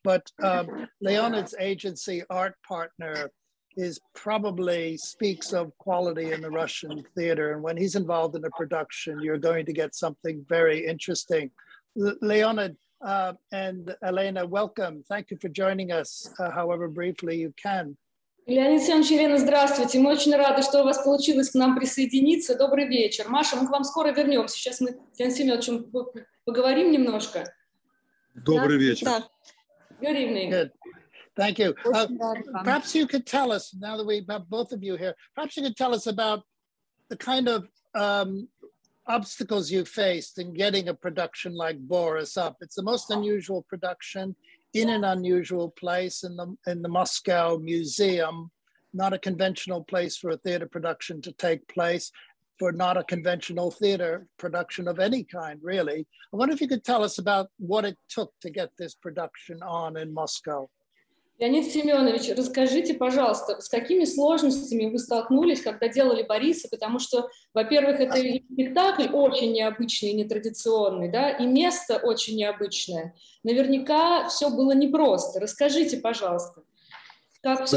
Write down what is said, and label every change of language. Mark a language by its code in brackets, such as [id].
[en] But Leonid's agency, Art Partner, is probably speaks of quality in the Russian theater. And when he's involved in a production, you're going to get something very interesting. Leonid and Elena, welcome. Thank you for joining us, however briefly you can. [ru] Леонид Семенович, Елена, здравствуйте. Мы очень рады, что у вас получилось к нам присоединиться. Добрый вечер. Маша, мы к вам скоро вернемся. Сейчас мы с Леонидом Семеновичем поговорим немножко. Добрый вечер. Да. [en] Good evening. Good. Thank you. Perhaps you could tell us, now that we have both of you here, perhaps you could tell us about the kind of obstacles you faced in getting a production like Boris up. It's the most unusual production in an unusual place in the Moscow Museum, not a conventional place for a theater production to take place, for not a conventional theater production of any kind, really. I wonder if you could tell us about what it took to get this production on in Moscow. [ru] Леонид Семенович, расскажите, пожалуйста, с какими сложностями вы столкнулись, когда делали Бориса, потому что, во-первых, это спектакль очень необычный, нетрадиционный, да, и место очень необычное. Наверняка все было непросто. Расскажите, пожалуйста, как все